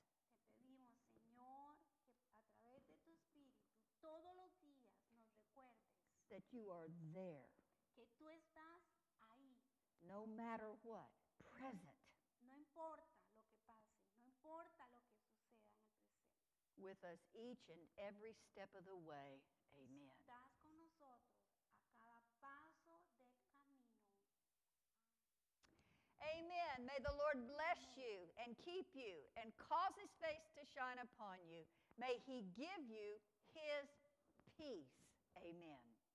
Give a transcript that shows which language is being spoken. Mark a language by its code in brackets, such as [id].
[es] Te pedimos, Señor, que a través de tu Espíritu todos los días nos recuerdes [en] that you are there. [es] Que tú estás ahí. [en] No matter what, present. [es] No importa lo que pase, no importa lo que suceda en el presente. [en] With us each and every step of the way, amen. [es] Estás con nosotros a cada paso del camino. [en] Amen. May the Lord bless you and keep you and cause his face to shine upon you. May he give you his peace. Amen.